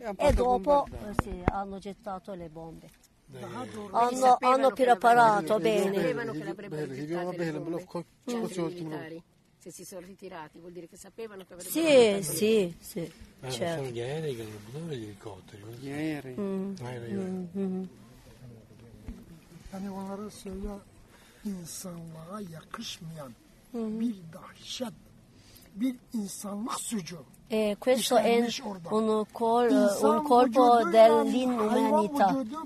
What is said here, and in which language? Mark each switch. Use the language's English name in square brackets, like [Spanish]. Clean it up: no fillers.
[Italian] E dopo sì, hanno gettato le bombe. Hanno preparato bene. Sapevano che l'avrebbero gettate le bombe. Se si sono ritirati vuol dire che sapevano che avrebbero sì, certo. Sono gli aerei che hanno buttato gli elicotteri. Gli aerei. [Turkish] Hayvanlara söyle insanlığa yakışmayan bir dahşet, bir insanlık suçu. [Italian] Questo è un colpo dell'inumanità.